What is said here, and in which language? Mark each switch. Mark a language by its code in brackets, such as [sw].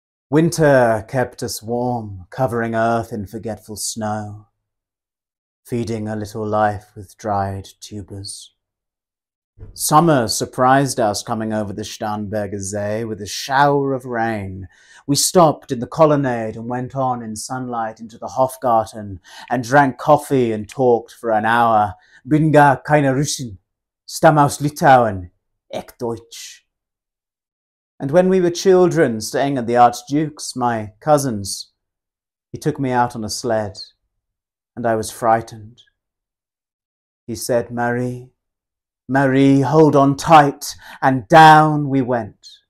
[en] Winter kept us warm, covering earth in forgetful snow, feeding a little life with dried tubers. Summer surprised us coming over the Starnbergersee with a shower of rain. We stopped in the colonnade and went on in sunlight into the Hofgarten and drank coffee and talked for an hour. [de] Bin gar keine Russin, stamm aus Litauen, echt deutsch. [en] And when we were children staying at the archduke's, my cousin's, he took me out on a sled and I was frightened. He said, Marie, Marie, hold on tight, and down we went.